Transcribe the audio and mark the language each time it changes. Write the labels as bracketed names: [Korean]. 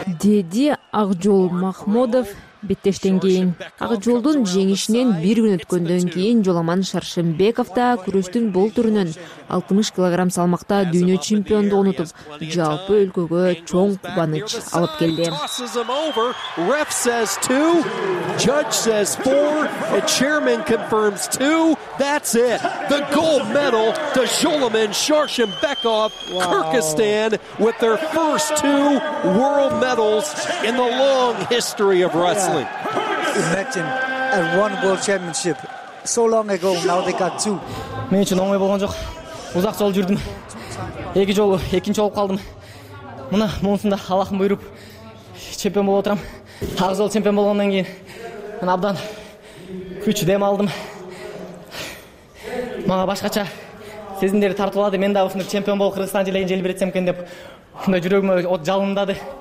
[Kyrgyz] деди Акжол Махмудов беттештен кийин. Акжолдун жеңишинен бир күн өткөндөн кийин Жоломан Шаршембеков да күрөштүн бул түрүнөн 60 кг салмакта дүйнө чемпиондугун утуп, жалпы өлкөгө чоң кубаныч алып келди. [English] Ref says 2, judge says 4, and chairman confirms 2. That's it. The gold medal to Жоломан Шаршембеков, Кыргызстан with their first 2 world medals in the long history of Russia. Imagine and one world championship so long ago, now they got 2. [Kyrgyz] Мен үчүн оңой болгон жок. Узак жол жүрдүм. Эки жолу экинчи болуп калдым. Мына мунусунда Аллахтын буйруп чемпион болуп отурам. Ак жол чемпион болгондон кийин мен абдан күч дем алдым. Мага башкача сезимдер тартып алды. Мен дагы ушинтип чемпион болуп Кыргызстан желегин желбиретсем экен деп мындай жүрөгүмө от жалындады.